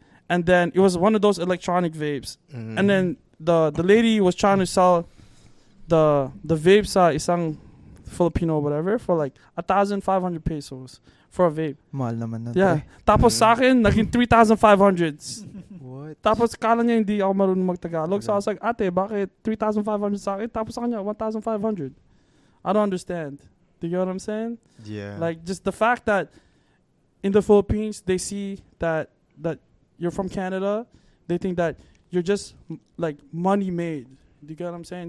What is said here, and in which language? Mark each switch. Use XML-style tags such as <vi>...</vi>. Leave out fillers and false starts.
<en>And then it was one of those electronic vapes. Mm-hmm. And then the lady was trying to sell the vapes isang Filipino or whatever for like 1,500 pesos for a vape.</en> <tl>Mahal naman natin. Yeah. Tapos sa akin, naging 3,500.</tl> <en>What?</en> <tl>Tapos kala niya hindi ako marunong mag-Tagalog.</tl> <en>So I was like,</en> <tl>ate, bakit 3,500 sa akin? Tapos sa kanya, 1,500.</tl> <en>I don't understand. Do you know what I'm saying? Yeah. Like, just the fact that in the Philippines, they see that you're from Canada. They think that you're just like money made. Do you get what I'm saying?</en>